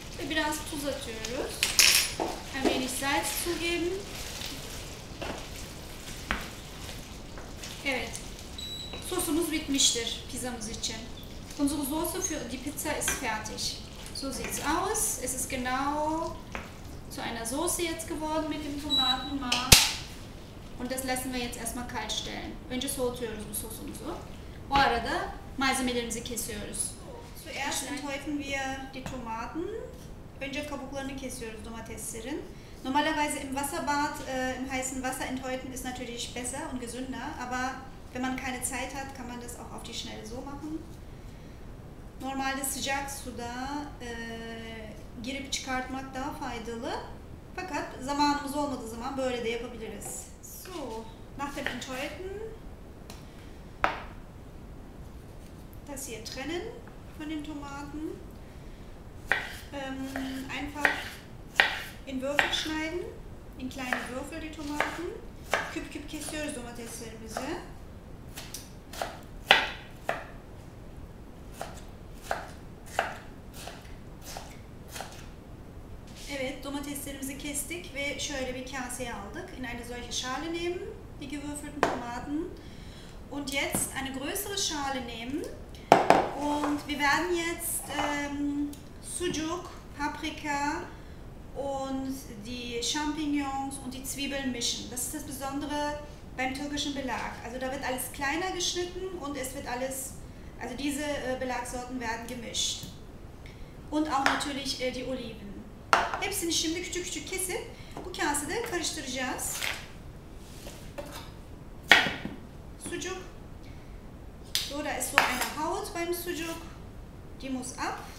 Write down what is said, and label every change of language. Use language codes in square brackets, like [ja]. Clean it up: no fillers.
[tr] Biraz tuz atıyoruz. [de] Ein wenig Salz zugeben. [tr] Evet. Sosumuz bitmiştir pizzamız için. [de] Unsere Soße für die Pizza ist fertig. So sieht's aus. Es ist genau zu einer Soße jetzt geworden mit dem Tomatenmark. Und das lassen wir jetzt erstmal kalt stellen. [tr] Önce soğutuyoruz bu sosumuzu. Bu arada malzemelerimizi kesiyoruz. [de] Zuerst enthäufen wir die Tomaten. [tr] Önce kabuklarını kesiyoruz domateslerin. [de] Normalerweise im Wasserbad, im heißen Wasser enthäuten ist natürlich besser und gesünder, aber wenn man keine Zeit hat, kann man das auch auf die Schnelle so machen. [tr] Normalde sıcak suda girip çıkartmak daha faydalı. Fakat zamanımız olmadığı zaman böyle de yapabiliriz. [de] So, nach dem Enthäuten das hier trennen von den Tomaten. Einfach in Würfel schneiden, in kleine Würfel die Tomaten. Küp küp kesiyoruz domateslerimizi. Evet, domateslerimizi kestik ve şöyle bir kaseye aldık. In eine solche Schale nehmen, die gewürfelten Tomaten. Und jetzt eine größere Schale nehmen. Und wir werden jetzt Sucuk, Paprika und die Champignons und die Zwiebeln mischen. Das ist das Besondere beim türkischen Belag. Also da wird alles kleiner geschnitten und es wird alles, also diese Belagsorten werden gemischt. Und auch natürlich die Oliven. [tr] Hepsini şimdi küçük küçük kesip bu kasede karıştıracağız. Sucuk. [de] So, da ist so eine Haut beim Sucuk. Die muss ab.